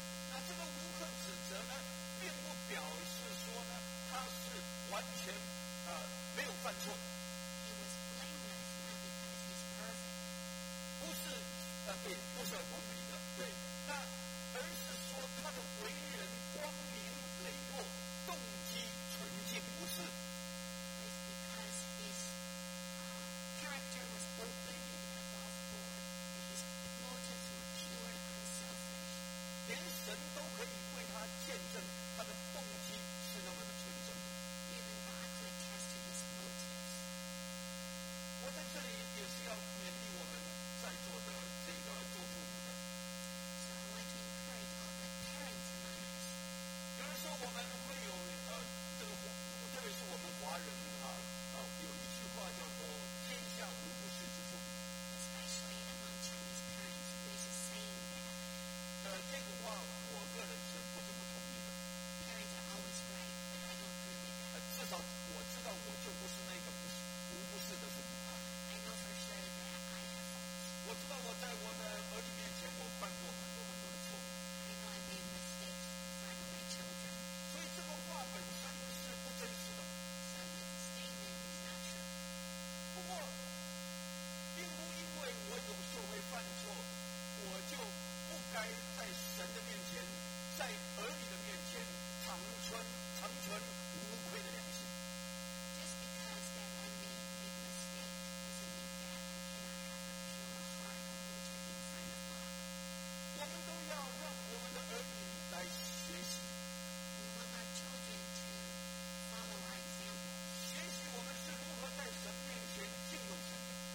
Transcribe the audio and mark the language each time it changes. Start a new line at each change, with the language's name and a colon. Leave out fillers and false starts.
Chinese: 那这个无可指责呢，并不表示说呢，他是完全没有犯错。
English: He was blameless, not because he's perfect.
Chinese: 不是对，不是无比的，对。那而是说他的为人光明磊落，动机纯净无私。
English: It's because his character was open and above board, and his motives were pure and unselfish.
Chinese: 连神都可以为他见证他的动机是那么的纯正的。
English: Even God could attest to his motives.
Chinese: 我在这里也是要勉励我们在座的这个做父母的。
English: So I want to encourage all the parents among us.
Chinese: 有人说我们会有这个，特别是我们华人有一句话叫做天下无不是之父。
English: Especially among Chinese parents, there is a saying that.
Chinese: 这个话我个人是不这么同意的。
English: Parents are always right, but I don't agree with that.
Chinese: 至少我知道我就不是那个无不是的父母。
English: I know for sure that I have faults.
Chinese: 我知道我在我的儿女面前我犯过很多很多的错。
English: I know I made mistakes in front of my children.
Chinese: 所以这个话本身是不真实的。
English: So this statement is not true.
Chinese: 不过并不因为我有时候会犯错，我就不该在神的面前，在儿女的面前，长存无愧的良心。
English: Just because that I may make mistakes doesn't mean that I cannot have a pure heart and motive in front of God.
Chinese: 我们都要让我们的儿女来学习。
English: We want our children to follow our example.
Chinese: 学习我们是如何在神面前敬重神的。